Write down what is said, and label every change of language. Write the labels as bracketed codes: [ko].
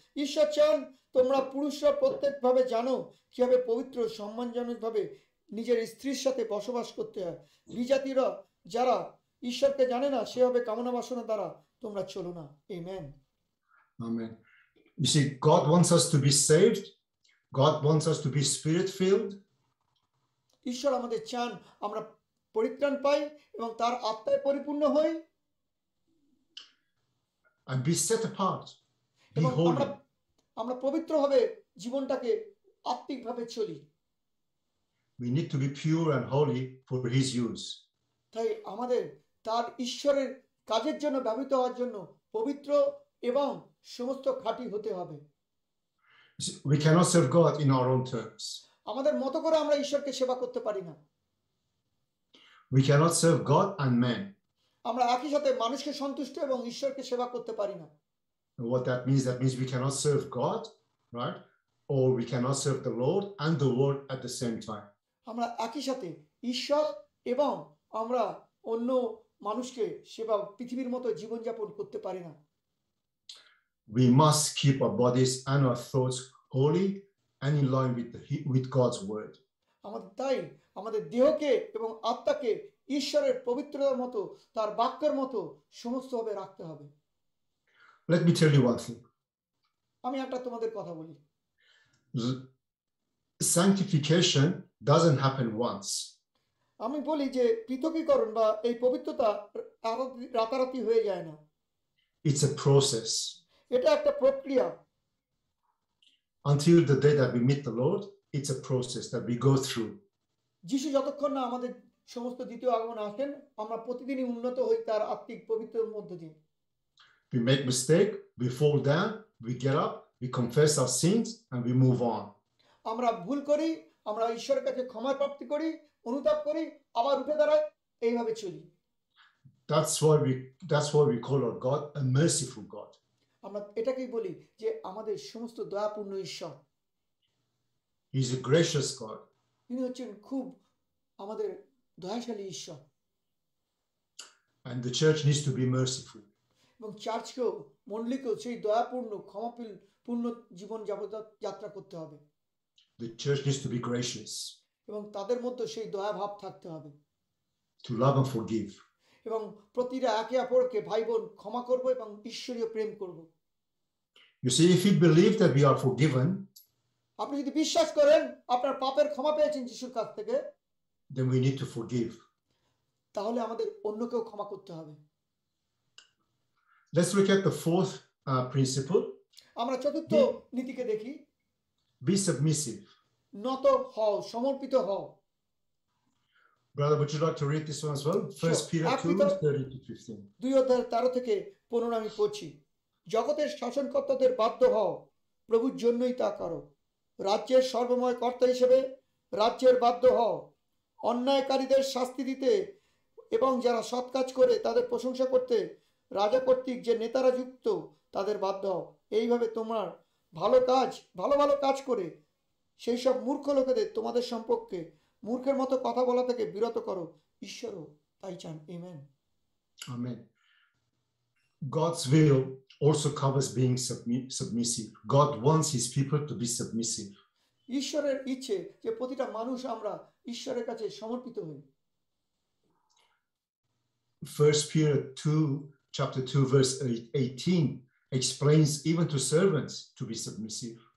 [bn] ঈশ্বর চান তোমরা পুরুষরা প্রত্যেকভাবে জানো কিভাবে পবিত্র সম্মানজনকভাবে নিজের স্ত্রীর সাথে বসবাস করতে হয়। বিজাতিরা যারা ঈশ্বরকে জানে না সেভাবে কামনা বাসনা দ্বারা তোমরা চলো না। Amen. Amen. [en] You see, God wants us to be saved. God wants us to be spirit filled. [bn] ঈশ্বর আমাদের চান আমরা পরিত্রাণ পাই এবং তার আত্মায় পরিপূর্ণ হই। [en] And be set apart. Be holy. [bn] আমরা পবিত্র হবে জীবনটাকে আত্মিকভাবে চলি। [en] We need to be pure and holy for his use. [bn] তাই আমাদের তার ঈশ্বরের কাজের জন্য ব্যবহৃত হওয়ার জন্য পবিত্র এবং সমস্ত খাঁটি হতে হবে। [en] We cannot serve God in our own terms. [bn] আমাদের মত করে আমরা ঈশ্বরকে সেবা করতে পারি না। [en] We cannot serve God and man. [bn] আমরা একই সাথে মানুষকে সন্তুষ্ট এবং ঈশ্বরকে সেবা করতে পারি না। [en] What that means we cannot serve God, right? Or we cannot serve the Lord and the world at the same time. [bn] আমরা একই সাথে ঈশ্বর এবং আমরা অন্য মানুষকে সেবা পৃথিবীর মতো জীবন যাপন করতে পারি না। [en] We must keep our bodies and our thoughts holy and in line with God's word. [bn] আমাদের তাই আমাদের দেহকে এবং আত্মাকে ঈশ্বরের পবিত্রতার মতো তার বাক্যের মতো সমস্তভাবে রাখতে হবে। [en] Let me tell you one thing. [bn] আমি একটা তোমাদের কথা বলি। [en] Sanctification doesn't happen once. [bn] আমি বলি যে পৃথকীকরণ বা এই পবিত্রতা রাতারাতি হয়ে যায় না। [en] It's a process. [bn] এটা একটা প্রক্রিয়া। [en] Until the day that we meet the Lord, it's a process that we go through. [bn] যিশু যতক্ষণ না আমাদের সমস্ত দ্বিতীয় আগমন আসেন, আমরা প্রতিদিনই উন্নত হই তার আত্মিক পবিত্রতার মধ্যে দিয়ে। [en] We make mistake, we fall down, we get up, we confess our sins and we move on. [bn] আমরা ভুল করি, আমরা ঈশ্বরের কাছে ক্ষমা প্রাপ্তি করি, অনুতাপ করি, আবার উঠে দাঁড়াই, এইভাবে চলি। [en] That's why we call our God a merciful God. [bn] আমরা এটাকেই বলি যে আমাদের সমস্ত দয়াপূর্ণ ঈশ্বর। [en] He is a gracious God. [bn] তিনি হচ্ছেন খুব আমাদের দয়াশালী ঈশ্বর। [en] And the church needs to be merciful. [bn] এবং চার্চকেও মণ্ডলীকেও সেই দয়াপূর্ণ ক্ষমাপীল পূর্ণ জীবন যাত্রা করতে হবে। [en] The church needs to be gracious. [bn] এবং তাদের মধ্যে সেই দয়া ভাব থাকতে হবে। [en] To love and forgive. [bn] এবং প্রতিটা একে অপরকে ভাই বোন ক্ষমা করব এবং ঈশ্বরীয় প্রেম করব। [en] You see, if you believe that we are forgiven, [bn] আপনি যদি বিশ্বাস করেন আপনার পাপের ক্ষমা পেয়েছেন যিশুর কাছ থেকে, [en] then we need to forgive. [bn] তাহলে আমাদের অন্যকেও ক্ষমা করতে হবে। [en] Let's look at the fourth principle. [bn] আমরা চতুর্থ নীতিকে দেখি। [en] Be submissive. [bn] নত হও, সমর্পিত হও। [en] Brother, would you like to read this one as well? 1 Peter 2, 30 to 15. [bn] 2 অধ্যায় 13 থেকে 15 আমি পড়ছি। জগতের শাসনকর্তাদের বাধ্য হও, প্রভুর জন্যই তা করো। রাজ্যের সর্বময় কর্তা হিসেবে রাজ্যের বাধ্য হও। অন্যায়কারীদের শাস্তি দিতে এবং যারা সৎ কাজ করে তাদের প্রশংসা করতে রাজা কর্তৃক যে নেতারা যুক্ত তাদের বাধ্য হও। এইভাবে তোমার ভালো ভালো কাজ করে সেই সব মূর্খ লোকেদের তোমাদের সম্পর্কে মূর্খের মতো কথা বলা থেকে বিরত করো, ঈশ্বরও তাই চান। Amen. Amen. [en] God's will also covers being submissive. God wants his people to be submissive. [bn] ঈশ্বরের ইচ্ছে যে প্রতিটা মানুষ আমরা ঈশ্বরের কাছে সমর্পিত হই। [en] 1 Peter 2 chapter 2 verse 18 explains even to servants to be submissive.